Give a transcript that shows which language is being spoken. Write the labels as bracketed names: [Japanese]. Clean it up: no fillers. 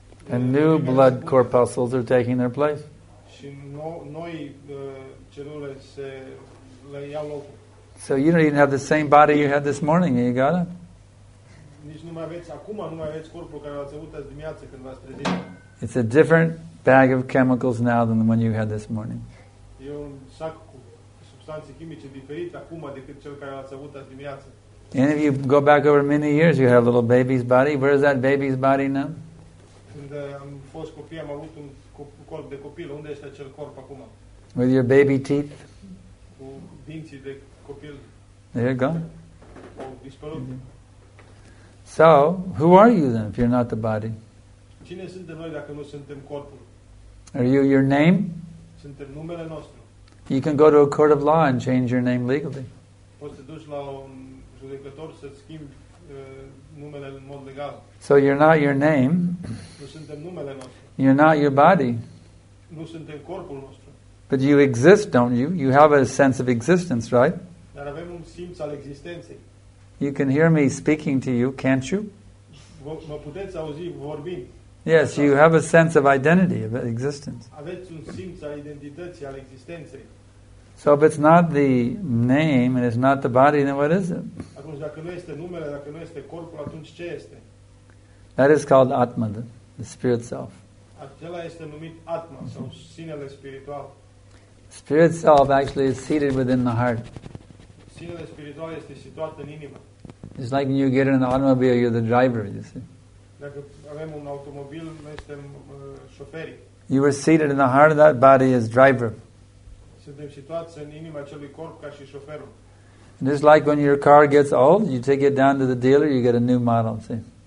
[English] And new blood corpuscles are taking their place. So you don't even have the same body you had this morning. You got it? [Romanian] Nici nu mai aveți acum, nu mai aveți corpul care l-ați avut azi dimineață când v-ați trezit. [English] It's a different bag of chemicals now than the one you had this morning. [Romanian] E un sac cu substanțe chimice diferite acum decât cel care l-ați avut azi dimineață. [English] And if you go back over many years, you had a little baby's body. Where is that baby's body now? [Romanian] Când am fost copii, am avut un corp de copil. Unde este acel corp acum? [English] With your baby teeth. [Romanian] Cu dinții de copil. [English] There you go. [Romanian] Au dispărut. Mm-hmm. [English] So, who are you then if you're not the body? [Romanian] Cine suntem noi dacă nu suntem corpul? [English] Are you your name? [Romanian] Suntem numele nostru. [English] You can go to a court of law and change your name legally. [Romanian] Poți să duci la un judecător să schimbi numele în mod legal. [English] So you're not your name. [Romanian] Nu suntem numele nostru. [English] You're not your body. [Romanian] Nu suntem corpul nostru. [English] But you exist, don't you? You have a sense of existence, right? [Romanian] Dar avem un simț al existenței. [English] You can hear me speaking to you, can't you? [Romanian] Mă puteți auzi vorbind. [English] Yes, you have a sense of identity, of existence. [Romanian] Aveți un simț al identității, al existenței. [English] So if it's not the name and it's not the body, then what is it? [Romanian] Atunci, dacă nu este numele, dacă nu este corpul, atunci ce este? [English] That is called Atma, the spirit self. [Romanian] Acela este numit Atma, sau sinele spiritual. [English] Spirit self actually is seated within the heart. [Romanian] Sinele spiritual este situat în inimă. [English] It's like when you get in an automobile, you're the driver, you see. [Romanian] Dacă avem un automobil, noi suntem șoferi. [English] You are seated in the heart of that body as driver. [Romanian] Suntem situați în inima acelui corp ca și șoferul. [English] And it's like when your car gets old, you take it down to the dealer, you get a new model, see.